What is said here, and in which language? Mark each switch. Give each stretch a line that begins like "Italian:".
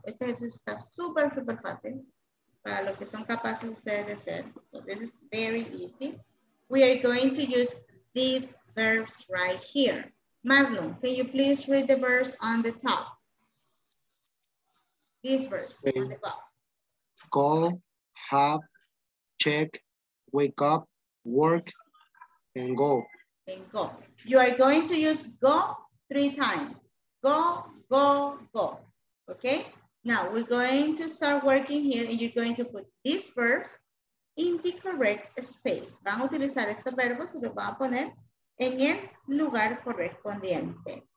Spanish: Este ejercicio está súper, súper fácil para lo que son capaces ustedes de hacer.
English: So, this is very easy. We are going to use these verbs right here. Marlon, can you please read the verbs on the top? These verbs on the box. Call, have, check, wake up, work, and go. And go. You are going to use go 3 times. Go, go, go. Okay? Now, we're going to start working here, and you're going to put these verbs in the correct space.
Spanish: Van a utilizar estos verbos y los van a poner en el lugar correspondiente.